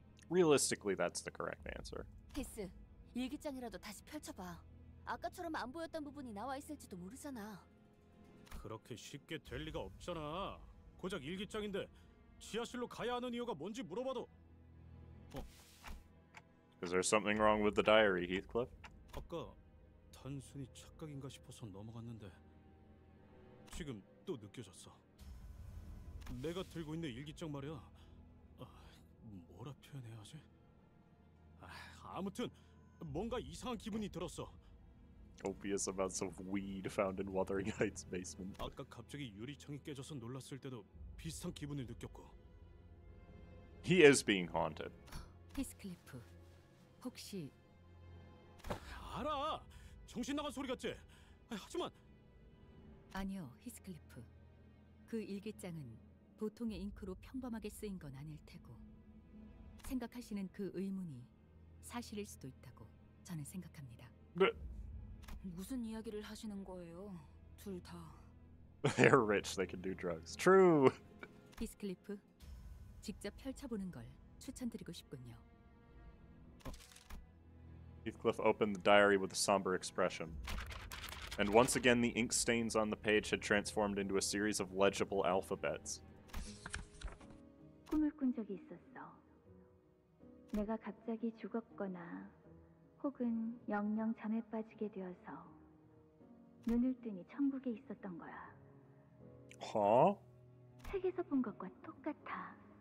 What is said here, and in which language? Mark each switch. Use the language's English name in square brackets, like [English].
[English] Realistically, that's the correct answer. [Korean] 히스, 일기장이라도 다시 펼쳐봐. 아까처럼 안 보였던 부분이 나와 있을지도 모르잖아. 그렇게 쉽게 될 리가 없잖아. 고작 일기장인데 지하실로 가야 하는 이유가 뭔지 물어봐도. 어? [English] Is there something wrong with the diary, Heathcliff? [Korean] 아까 단순히 착각인가 싶어서 넘어갔는데 지금 또 느껴졌어. 내가 들고 있는 일기장 말이야. 뭐라 표현해야 하지? 아무튼 뭔가 이상한 기분이 들었어. [English] Copious amounts of weed found in Wuthering Heights basement. [Korean] 아까 갑자기 유리창이 깨져서 놀랐을 때도 비슷한 기분을 느꼈고. [English] He is being haunted. [Korean] Heathcliff, 혹시 알아? 정신 나간 소리 같지? 하지만 아니요, Heathcliff. 그 일기장은 보통의 잉크로 평범하게 쓰인 건 아닐 테고 생각하시는 그 의문이 사실일 수도 있다고 저는 생각합니다. 네. 무슨 이야기를 하시는 거예요? 둘 다. [English] They're rich. They can do drugs. True. [Korean] 히스클리프, 직접 펼쳐보는 걸 추천드리고 싶군요. [English] Heathcliff opened the diary with a somber expression. And once again, the ink stains on the page had transformed into a series of legible alphabets. [Korean] 꿈을 꾼 적이 있었어. 내가 갑자기 죽었거나 혹은 영영 잠에 빠지게 되어서 눈을 뜨니 천국에 있었던 거야. 허? 책에서 본 것과 똑같아.